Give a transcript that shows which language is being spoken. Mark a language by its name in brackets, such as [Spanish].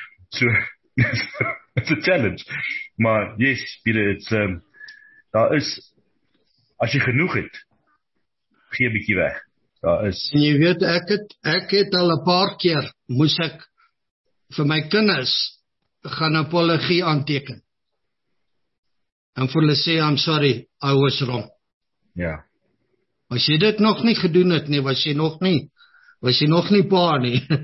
[English] So it's a challenge. [Afrikaans] Maar yes, Peter, daar is, as jy genoeg het, gee 'n bietjie weg. Daar is. En jy weet, ek het al 'n paar keer moes ek vir my kinders gaan 'n apologie aanteken. En vir hulle sê, [English] I'm sorry, I was wrong. [Afrikaans] Ja. As jy dit nog nie gedoen het nie, was jy nog nie pa nie.